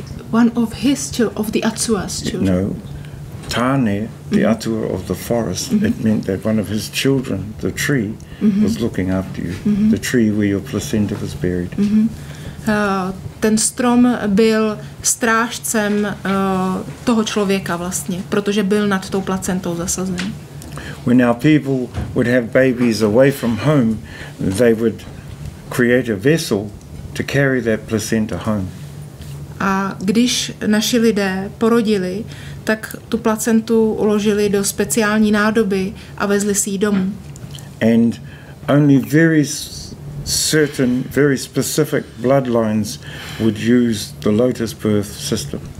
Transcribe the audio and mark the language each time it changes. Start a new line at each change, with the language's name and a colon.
English: One of his children, of the Atsua's children. No, Tane, the mm-hmm. Atua of the forest, mm-hmm. it meant that one of his children, the tree, mm-hmm. was looking after you, mm-hmm. the tree where your placenta was buried. Mm-hmm.
Czech: Ten strom byl strážcem toho člověka vlastně, protože byl nad tou placentou zasazen.
English: When our people would have babies away from home, they would create a vessel to carry that placenta home.
Czech: A když naši lidé porodili, tak tu placentu uložili do speciální nádoby a vezli si ji domů.
English: And only very certain, very specific bloodlines would use the lotus birth system.